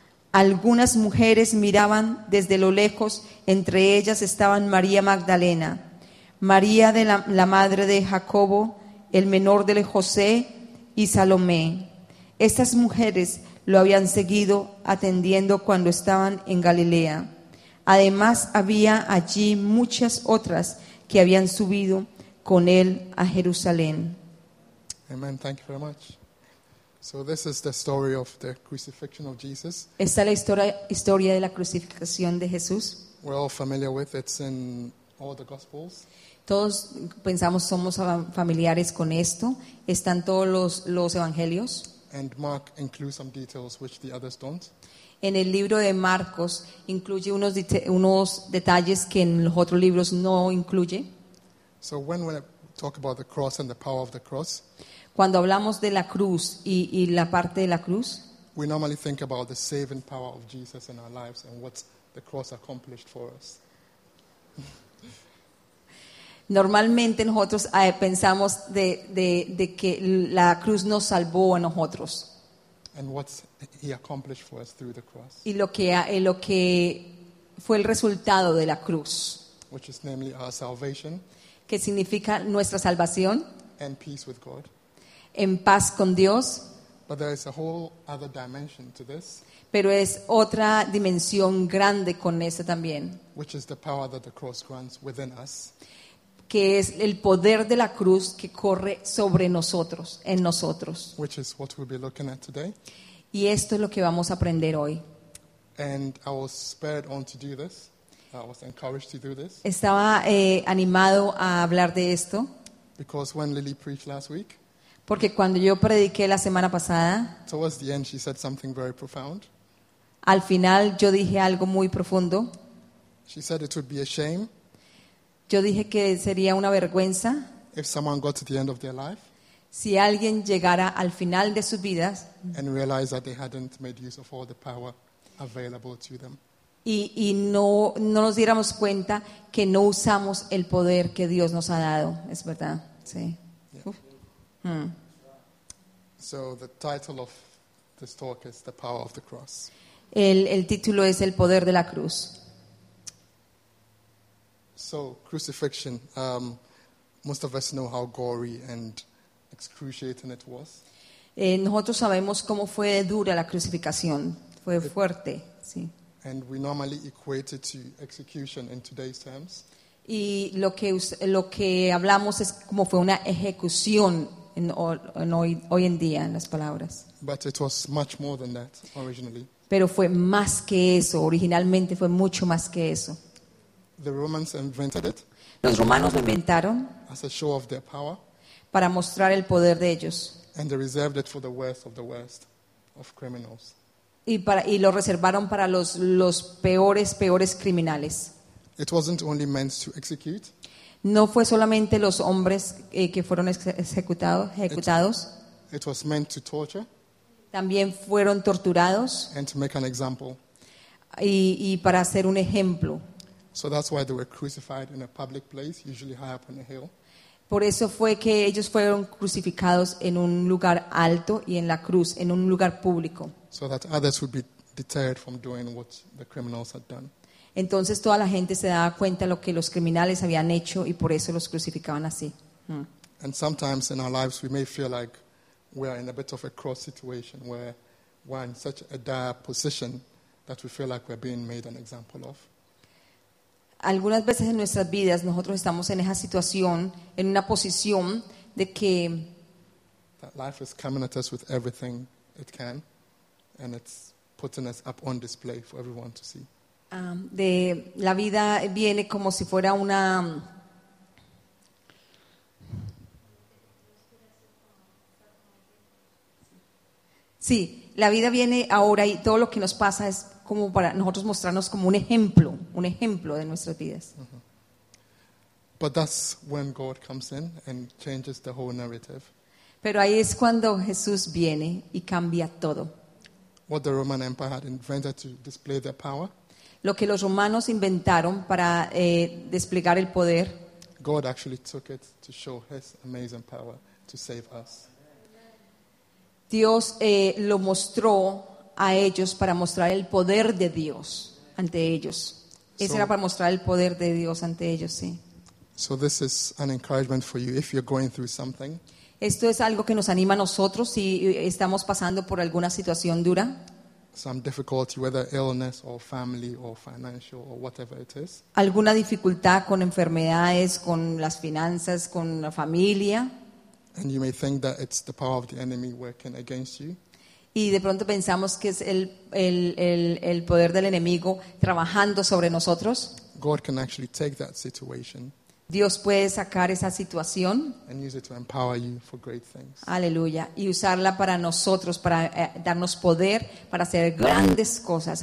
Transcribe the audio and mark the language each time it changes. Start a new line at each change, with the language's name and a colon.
Spanish: Algunas mujeres miraban desde lo lejos, entre ellas estaban María Magdalena, María de la madre de Jacobo, el menor de José y Salomé. Estas mujeres lo habían seguido atendiendo cuando estaban en Galilea. Además, había allí muchas otras que habían subido con él a Jerusalén.
English: Amen. Thank you very much. So this is the story of the crucifixion of Jesus.
Spanish: Esta es la historia de la crucificación de Jesús.
English: We're all familiar with it. It's in all the Gospels.
Spanish: Todos pensamos somos familiares con esto. Están todos los evangelios.
English: And Mark includes some details which the others don't.
Spanish: En el libro de Marcos incluye unos detalles que en los otros libros no incluye.
English: So when we talk about the cross and the power of the cross.
Spanish: Cuando hablamos de la cruz y la parte de la cruz.
English: We normally think about the saving power of Jesus in our lives and what the cross accomplished for us.
Spanish: Normalmente nosotros pensamos de que la cruz nos salvó a nosotros.
English: And what he accomplished for us through the cross.
Spanish: Y lo que fue el resultado de la cruz.
English: Which is namely our salvation.
Spanish: Que significa nuestra salvación.
English: And peace with God.
Spanish: En paz con Dios.
English: But there is a whole other dimension to this.
Spanish: Pero es otra dimensión grande con esa también.
English: Which is the power that the cross grants within us.
Spanish: Que es el poder de la cruz que corre sobre nosotros, en nosotros.
English: Which is what we'll be looking at today.
Spanish: Y esto es lo que vamos a aprender hoy.
English: And I was spurred on to do this. I was encouraged to do this.
Spanish: Estaba animado a hablar de esto.
English: Because when Lily preached last week,
Spanish: porque cuando yo prediqué la semana pasada,
English: towards the end, she said something very profound.
Spanish: Al final yo dije algo muy profundo.
English: She said it would be a shame.
Spanish: Yo dije que sería una vergüenza
English: if someone got to the end of their life,
Spanish: si alguien llegara al final de sus vidas
English: and realized that they hadn't made use of all the power available to them.
Spanish: Y no nos diéramos cuenta que no usamos el poder que Dios nos ha dado. Es verdad, sí.
English: Yeah. So the title of this talk is The Power of the Cross.
Spanish: El título es El Poder de la Cruz.
English: So, crucifixion, most of us know how gory and excruciating it was.
Spanish: Nosotros sabemos cómo fue dura la crucificación, fue fuerte, sí.
English: And we normally equate it to execution in today's terms.
Spanish: Y lo que hablamos es cómo fue una ejecución hoy en día, en las palabras.
English: But it was much more than that, originally.
Spanish: Pero fue más que eso, originalmente fue mucho más que eso.
English: The Romans invented it.
Spanish: Los romanos lo inventaron.
English: As a show of their power.
Spanish: Para mostrar el poder de ellos.
English: And they reserved it for the worst of the worst of criminals.
Spanish: Y lo reservaron para los peores criminales.
English: It wasn't only meant to execute.
Spanish: No fue solamente los hombres que fueron ejecutados.
English: It was meant to torture.
Spanish: También fueron torturados.
English: And to make an example.
Spanish: Y para hacer un ejemplo.
English: So that's why they were crucified in a public place, usually high up on a hill.
Spanish: Por eso fue que ellos fueron crucificados en un lugar alto y en la cruz, en un lugar público.
English: So that others would be deterred from doing what the criminals had done.
Spanish: Entonces toda la gente se daba cuenta de lo que los criminales habían hecho y por eso los crucificaban así.
English: And sometimes in our lives we may feel like we are in a bit of a cross situation where we're in such a dire position that we feel like we're being made an example of.
Spanish: Algunas veces en nuestras vidas nosotros estamos en esa situación, en una posición de que
English: that life is coming at us with everything it can and it's putting us up on display for everyone to see.
Spanish: De la vida viene como si fuera una sí, la vida viene ahora y todo lo que nos pasa es como para nosotros mostrarnos como un ejemplo de nuestras vidas.
English: But that's when God comes in and changes the whole narrative.
Spanish: Pero ahí es cuando Jesús viene y cambia todo.
English: What the Roman Empire had invented to display their power.
Spanish: Lo que los romanos inventaron para desplegar el poder.
English: God actually took it to show his amazing power to save us.
Spanish: Dios lo mostró a ellos para mostrar el poder de Dios ante ellos. Eso era para mostrar el poder de Dios ante ellos, sí.
English: So this is an encouragement for you if you're going through something.
Spanish: Esto es algo que nos anima a nosotros si estamos pasando por alguna situación dura.
English: Some difficulty, whether illness or family or financial or whatever it is.
Spanish: Alguna dificultad con enfermedades, con las finanzas, con la familia.
English: And you may think that it's the power of the enemy working against you.
Spanish: Y de pronto pensamos que es el poder del enemigo trabajando sobre nosotros.
English: God can actually take that situation.
Spanish: Dios puede sacar esa situación.
English: And use it to empower you for great things.
Spanish: Aleluya. Y usarla para nosotros, para darnos poder, para hacer grandes cosas.